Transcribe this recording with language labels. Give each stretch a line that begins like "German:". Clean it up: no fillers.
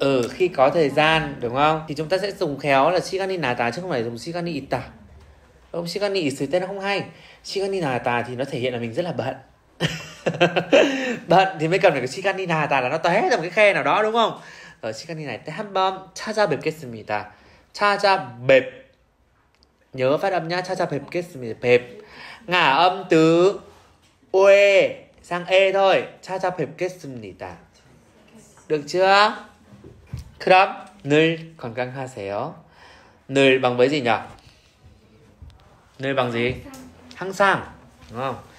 Vietnamese: Khi có thời gian, đúng không? Thì chúng ta sẽ dùng khéo là 시간이 나다 chứ không phải dùng 시간이 있다. Không, 시간이 있을 때 nó không hay. 시간이 나다 thì nó thể hiện là mình rất là bận. Bận thì mới cần phải cái 시간이 나다 là nó tóe ra một cái khe nào đó, đúng không?
Korean: Ở 시간이 날 때 한번 찾아뵙겠습니다. 찾아뵙.
Vietnamese: Nhớ phát âm nhá, 찾아뵙겠습니다. 뵙. Ngả âm từ 오에 sang E thôi. 찾아뵙겠습니다. Được chưa?
Korean: 그럼 늘 건강하세요.
Vietnamese: 늘 bằng với gì nhỉ? 늘 bằng gì? 항상. 항상. Đúng không?